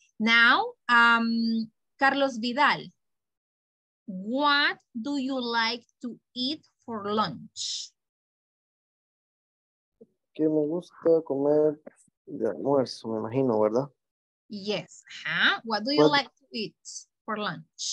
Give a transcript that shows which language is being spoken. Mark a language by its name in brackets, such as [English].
[English] Now, Carlos Vidal, what do you like to eat for lunch? [Spanish] Que me gusta comer de almuerzo, me imagino, ¿verdad? [English] Yes. Huh? What do you like to eat for lunch?